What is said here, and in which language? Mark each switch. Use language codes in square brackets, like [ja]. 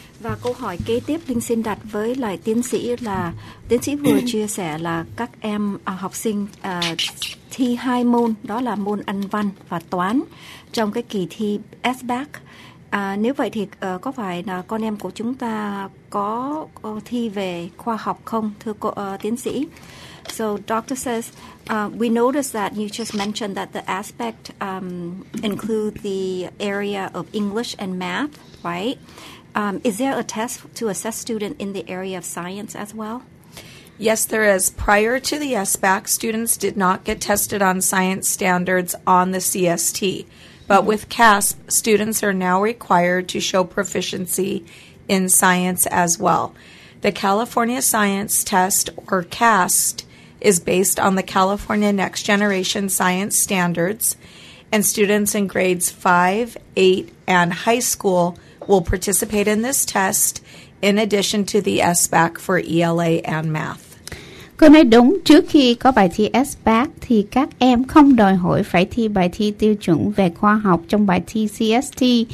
[vi] Và câu hỏi kế tiếp Linh xin đặt với lại tiến sĩ là, tiến sĩ vừa chia sẻ là các em học sinh thi hai môn, đó là môn Anh văn và Toán trong cái kỳ thi SBAC. Nếu vậy thì có phải là con em của chúng ta có thi về khoa học không, thưa cô tiến sĩ? [en] So doctor says, we noticed that you just mentioned that the aspect include the area of English and math, right? Is there a test to assess student in the area of science as well? Yes, there is. Prior to the SBAC, students did not get tested on science standards on the CST. But with CASP, students are now required to show proficiency in science as well. The California Science Test, or CAST, is based on the California Next Generation Science Standards and students in grades 5, 8, and high school will participate in this test in addition to the SBAC for ELA and math. [vi] Cô nói đúng, trước khi có bài thi SBAC thì các em không đòi hỏi phải thi bài thi tiêu chuẩn về khoa học trong bài thi CST.